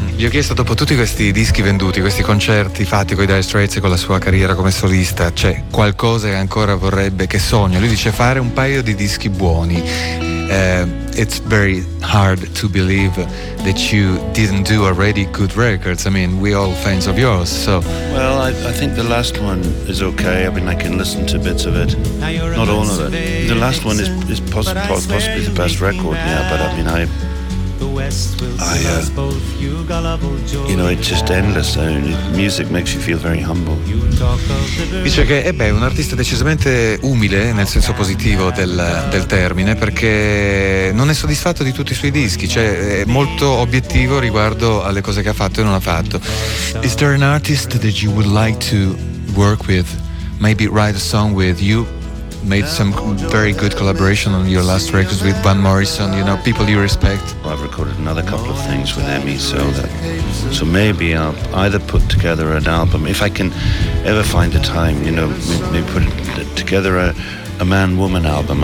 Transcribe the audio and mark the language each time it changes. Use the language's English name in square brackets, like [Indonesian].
[Italian] Gli ho chiesto, dopo tutti questi dischi venduti, questi concerti fatti con i Dire Straits e con la sua carriera come solista, c'è qualcosa che ancora vorrebbe, che sogna? Lui dice fare un paio di dischi buoni. [English] It's very hard to believe that you didn't do already good records. I mean, we're all fans of yours, so... Well, I think the last one is okay. I mean, I can listen to bits of it. Not all of it. The last one is possibly the best record, yeah, but I mean, it's just endless. Music makes you feel very humble. [Italian] Dice che un artista decisamente umile nel senso positivo del termine, perché non è soddisfatto di tutti i suoi dischi, cioè è molto obiettivo riguardo alle cose che ha fatto e non ha fatto. [English] Is there an artist that you would like to work with, maybe write a song with? You made some very good collaboration on your last records with Van Morrison, you know, people you respect. Well, I've recorded another couple of things with Emmy, so maybe I'll either put together an album, if I can ever find the time, you know, maybe put together a man-woman album.